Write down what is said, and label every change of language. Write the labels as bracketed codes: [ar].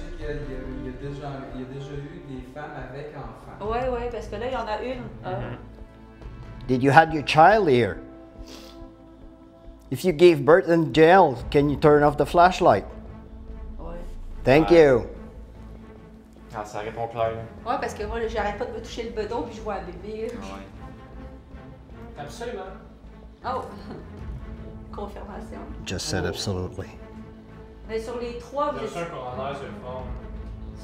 [fr] Il y a déjà eu des femmes avec enfants. Ouais, ouais, parce que là, il y en a une. [en] Did you have your child here? If you gave birth in jail, can you turn off the flashlight? [fr] Ouais. [en] Thank you! [fr] Ah, ça répond clair. Ouais, parce que moi, là, j'arrête pas de me toucher le bedon puis je vois un bébé. Ouais. Absolument. Oh! Confirmation. [en] Just said absolutely. [fr] Mais sur les trois, vous êtes...